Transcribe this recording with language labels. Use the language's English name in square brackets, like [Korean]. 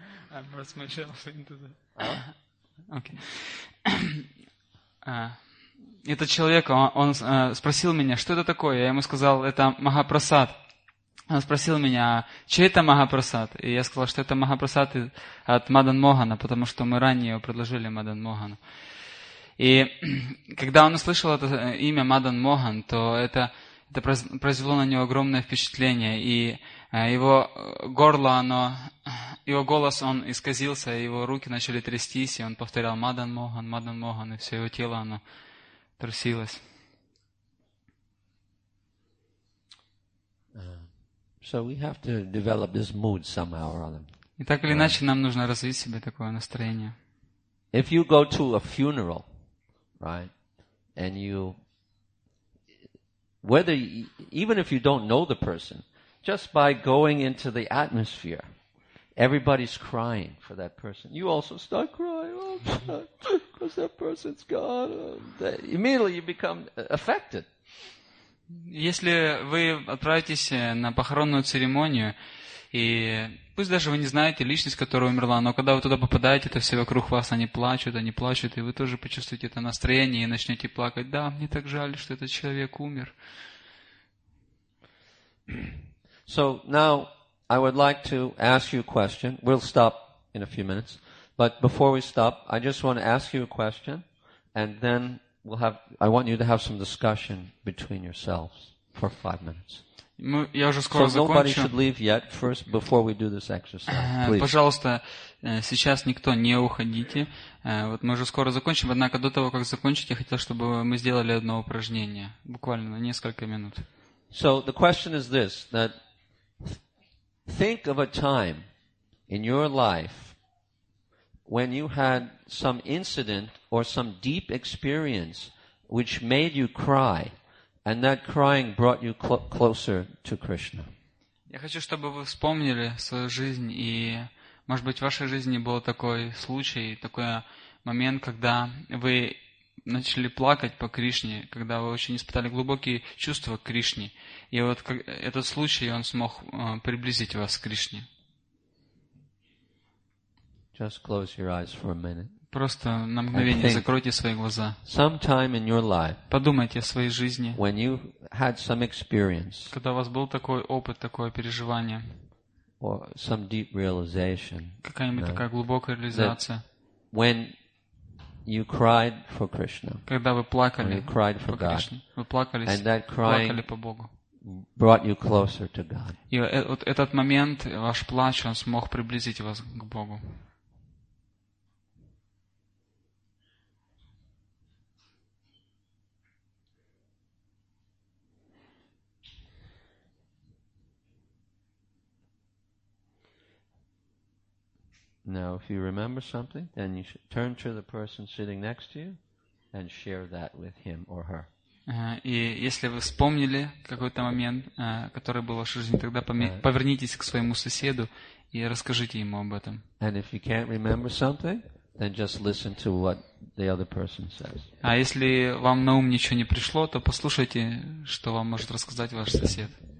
[English] I brought myself into the... Okay. [Russian] Этот человек, он спросил меня, что это такое? Я ему сказал, это Махапрасад. Он спросил меня, чей это Махапрасад? И я сказал, что это Махапрасад от Мадан Могана, потому что мы ранее его предложили Мадан Могану. И когда он услышал это имя Мадан Моган, то это произвело на него огромное впечатление. И его горло, оно, его голос, он исказился, его руки начали трястись, и он повторял Мадан Моган, Мадан Моган, и все его тело, оно трясилось. [English] So we have to develop this mood somehow or other. [Russian] И так или иначе, нам нужно развить себе такое настроение. [English] If you go to a funeral, right, and you, whether you, even if you don't know the person, just by going into the atmosphere, everybody's crying for that person. You also start crying because that person's gone. Immediately you become affected. [Russian] Если вы отправитесь на похоронную церемонию, и пусть даже вы не знаете личность, которая умерла, но когда вы туда попадаете, то все вокруг вас, они плачут, и вы тоже почувствуете это настроение и начнете плакать. Да, мне так жаль, что этот человек умер. [English] So now I would like to ask you a question. We'll stop in a few minutes. But before we stop, I just want to ask you a question, and then we'll have, I want you to have some discussion between yourselves for 5 minutes. [Russian] Я уже скоро закончу. [English] So nobody should leave yet first before we do this exercise. Please. [Russian] Пожалуйста, сейчас никто не уходите. Вот мы уже скоро закончим, однако до того, как закончить, я хотел, чтобы мы сделали одно упражнение, буквально на несколько минут. [English] So the question is this, that think of a time in your life when you had some incident or some deep experience which made you cry, and that crying brought you closer to Krishna. [Russian] Я хочу, чтобы вы вспомнили свою жизнь, и, может быть, в вашей жизни был такой случай, такой момент, когда вы начали плакать по Кришне, когда вы очень испытали глубокие чувства к Кришне. И вот этот случай, он смог приблизить вас к Кришне. [English] Just close your eyes for a minute. [Russian] Просто на мгновение закройте свои глаза. [English] Sometime in your life. [Russian] Подумайте о своей жизни. [English] When you had some experience. [Russian] Когда у вас был такой опыт, такое переживание. [English] Or some deep realization. [Russian] Какая-нибудь такая глубокая реализация. [English] When you cried for Krishna. [Russian] Когда вы плакали. [English] You cried for God. [Russian] Вы плакали, [English] and that crying [Russian] плакали по Богу. [English] Brought you closer to God. [Russian] И вот этот момент, ваш плач, он смог приблизить вас к Богу. [English] Now, if you remember something, then you should turn to the person sitting next to you and share that with him or her. [Russian] И если вы вспомнили какой-то момент, который был в вашей жизни, тогда повернитесь к своему соседу и расскажите ему об этом. [English] And if you can't remember something, then just listen to what the other person says. [Russian] А если вам на ум ничего не пришло, то послушайте, что вам может рассказать ваш сосед.